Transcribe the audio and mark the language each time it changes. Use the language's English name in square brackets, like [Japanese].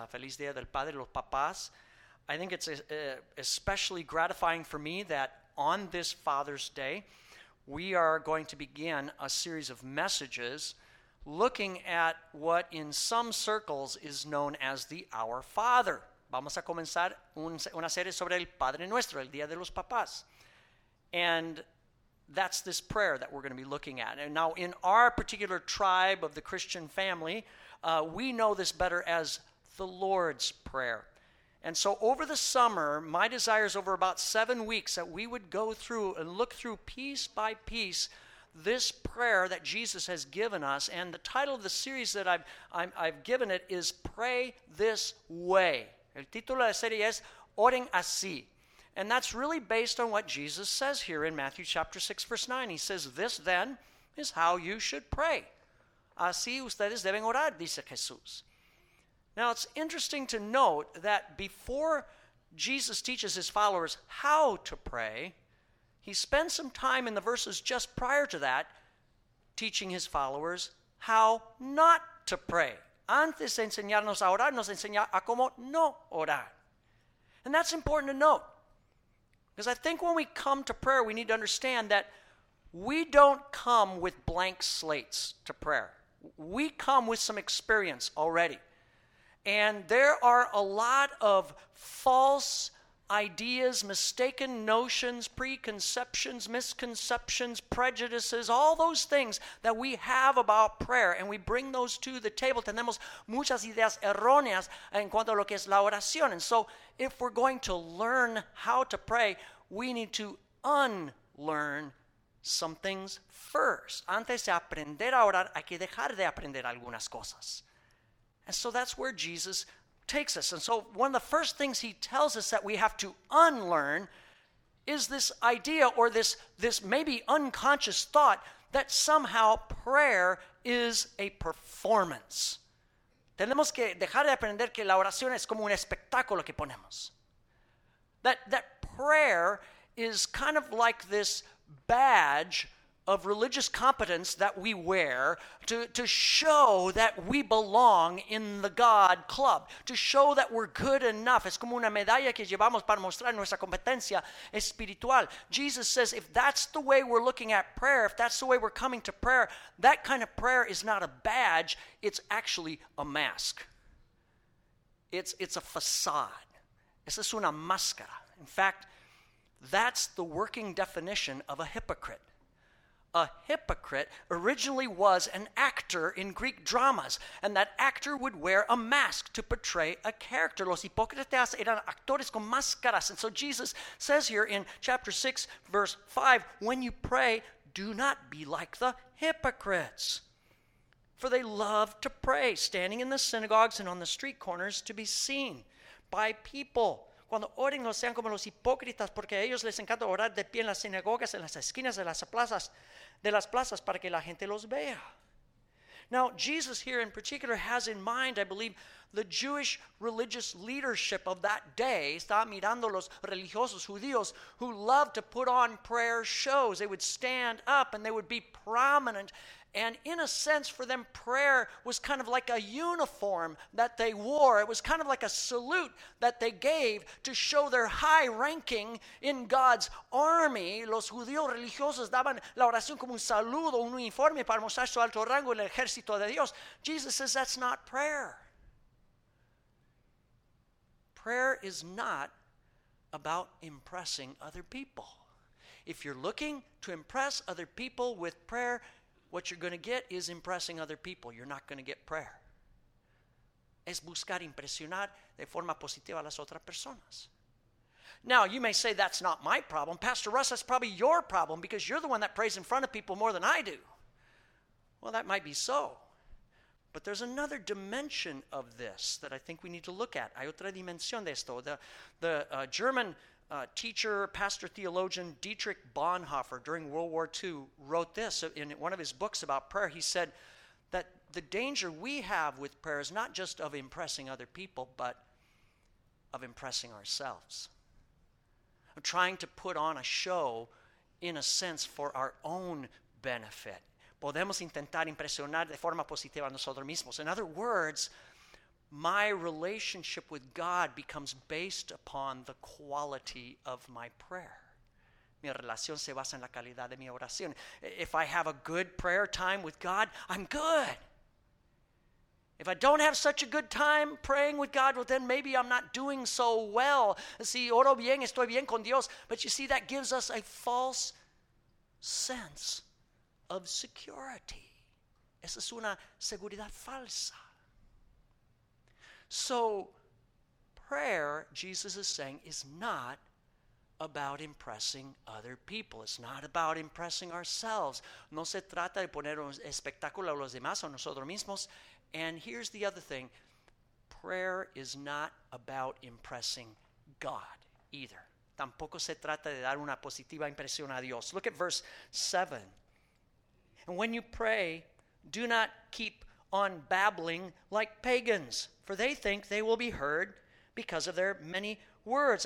[Spanish] Feliz Día del Padre, los papás. [English] I think it's especially gratifying for me that on this Father's Day, we are going to begin a series of messages looking at what in some circles is known as the Our Father. [Spanish] Vamos a comenzar una serie sobre el Padre Nuestro, el Día de los Papás. [English] And that's this prayer that we're going to be looking at. And now in our particular tribe of the Christian family, we know this better as the Lord's Prayer. And so over the summer, my desire is over about 7 weeks that we would go through and look through piece by piece this prayer that Jesus has given us. And the title of the series that I've given it is Pray This Way. [Spanish] El título de la serie es Oren Así. [English] And that's really based on what Jesus says here in Matthew chapter 6, verse 9. He says, this then is how you should pray. [Spanish] Así ustedes deben orar, dice Jesús. [English] Now, it's interesting to note that before Jesus teaches his followers how to pray, he spends some time in the verses just prior to that teaching his followers how not to pray. [Spanish] Antes de enseñarnos a orar, nos enseña a cómo no orar. [English] And that's important to note. Because I think when we come to prayer, we need to understand that we don't come with blank slates to prayer. We come with some experience already. And there are a lot of false ideas, mistaken notions, preconceptions, misconceptions, prejudices, all those things that we have about prayer, and we bring those to the table. [Spanish] Tenemos muchas ideas erróneas en cuanto a lo que es la oración. [English] And so if we're going to learn how to pray, we need to unlearn some things first. [Spanish] Antes de aprender a orar, hay que dejar de aprender algunas cosas. [English] And so that's where Jesus takes us. And so one of the first things he tells us that we have to unlearn is this idea or this maybe unconscious thought that somehow prayer is a performance. [Spanish] Tenemos que dejar de aprender que la oración es como un espectáculo que ponemos. [English] That prayer is kind of like this badge of religious competence that we wear to show that we belong in the God club, to show that we're good enough. [Spanish] Es como una medalla que llevamos para mostrar nuestra competencia espiritual. [English] Jesus says, if that's the way we're looking at prayer, if that's the way we're coming to prayer, that kind of prayer is not a badge, it's actually a mask. It's a facade. [Spanish] Es una máscara. [English] In fact, that's the working definition of a hypocrite. A hypocrite originally was an actor in Greek dramas, and that actor would wear a mask to portray a character. [Spanish] Los hipócritas eran actores con máscaras. [English] And so Jesus says here in chapter 6, verse 5, when you pray, do not be like the hypocrites, for they love to pray, standing in the synagogues and on the street corners to be seen by people. [Spanish] Cuando oren, no sean como los hipócritas, porque a ellos les encanta orar de pie en las sinagogas, en las esquinas de las plazas, para que la gente los vea. [English] Now, Jesus here in particular has in mind, I believe, the Jewish religious leadership of that day. [Spanish] Estaba mirando los religiosos judíos [English] who loved to put on prayer shows. They would stand up and they would be prominent. And in a sense, for them, prayer was kind of like a uniform that they wore. It was kind of like a salute that they gave to show their high ranking in God's army. [Spanish] Los judíos religiosos daban la oración como un saludo, un uniforme para mostrar su alto rango en el ejército de Dios. [English] Jesus says that's not prayer. Prayer is not about impressing other people. If you're looking to impress other people with prayer, what you're going to get is impressing other people. You're not going to get prayer. [Spanish] Es buscar impresionar de forma positiva a las otras personas. [English] Now, you may say, that's not my problem. Pastor Russ, that's probably your problem because you're the one that prays in front of people more than I do. Well, that might be so. But there's another dimension of this that I think we need to look at. [Spanish] Hay otra dimensión de esto. [English] The German teacher, pastor, theologian Dietrich Bonhoeffer during World War II wrote this in one of his books about prayer. He said that the danger we have with prayer is not just of impressing other people, but of impressing ourselves. Of trying to put on a show, in a sense, for our own benefit. [Spanish] Podemos intentar impresionar de forma positiva a nosotros mismos. [English] In other words, my relationship with God becomes based upon the quality of my prayer. [Spanish] Mi relación se basa en la calidad de mi oración. [English] If I have a good prayer time with God, I'm good. If I don't have such a good time praying with God, well, then maybe I'm not doing so well. [Spanish] Si oro bien, estoy bien con Dios. [English] But you see, that gives us a false sense of security. [Spanish] Esa es una seguridad falsa. So, [English] prayer, Jesus is saying, is not about impressing other people. It's not about impressing ourselves. [Spanish] No se trata de poner un espectáculo a los demás o nosotros mismos. [English] And here's the other thing. Prayer is not about impressing God either. [Spanish] Tampoco se trata de dar una positiva impresión a Dios. [English] Look at verse 7. And when you pray, do not keep on babbling like pagans, for they think they will be heard because of their many words.